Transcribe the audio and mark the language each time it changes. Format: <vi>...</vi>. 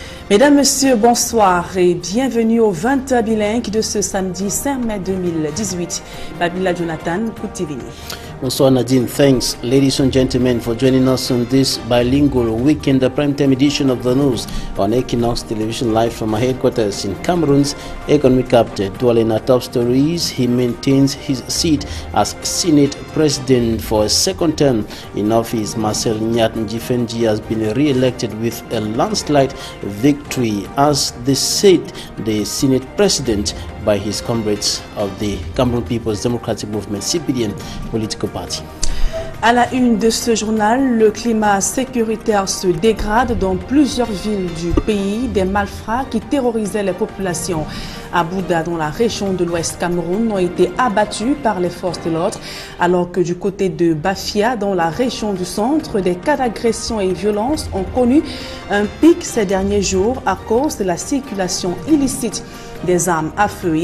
<fr>Mesdames, Messieurs, bonsoir et bienvenue au 20h bilingue de ce samedi 5 mai 2018. Babila Jonathan, Koutivini. Bonsoir</fr> <en>Nadine, thanks ladies and gentlemen for joining us on this bilingual weekend, the prime time edition of the news on Equinox Television live from our headquarters in Cameroon's economic capital. Dwelling on top stories, he maintains his seat as Senate President for a second term in office. Marcel Nyat Ndjifendi has been re-elected with a landslide victory as the seat, the Senate President, by his comrades of the Cameroon People's Democratic Movement, CPDM, political party.</en> <fr>À la une de ce journal, le climat sécuritaire se dégrade dans plusieurs villes du pays. Des malfrats qui terrorisaient les populations à Bouda, dans la région de l'Ouest Cameroun, ont été abattus par les forces de l'ordre, alors que du côté de Bafia, dans la région du centre, des cas d'agression et violence ont connu un pic ces derniers jours à cause de la circulation illicite des armes à feu.</fr>